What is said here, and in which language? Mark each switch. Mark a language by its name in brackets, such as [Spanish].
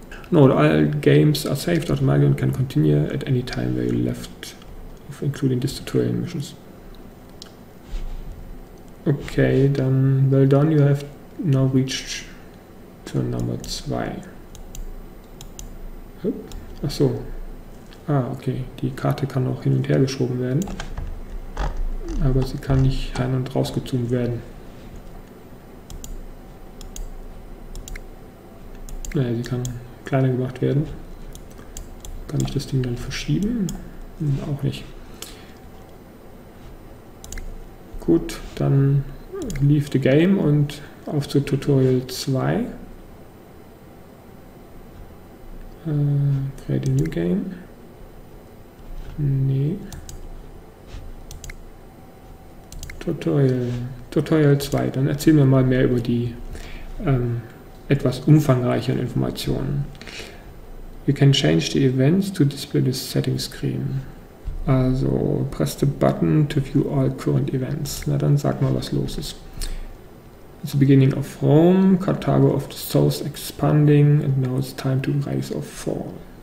[English] Note, all games are saved automatically and can continue at any time where you left, including these tutorial missions. Okay, dann well done, you have now reached turn number 2. [German] Ach so. Ah, okay. Die Karte kann auch hin und her geschoben werden. Aber sie kann nicht rein und rausgezogen werden. Naja, sie kann kleiner gemacht werden. Kann ich das Ding dann verschieben? Auch nicht. Gut, dann [English] leave the game [German] und auf zu Tutorial 2. [English] Create a new game. Nee. [German] Tutorial 2. Dann erzähl mir mal mehr über die etwas umfangreicheren Informationen. [English] You can change the events to display the setting screen. Also, press the button to view all current events. [German] Na dann sag mal, was los ist. [English] It's the beginning of Rome, Carthago of the South expanding, and now it's time to rise or fall.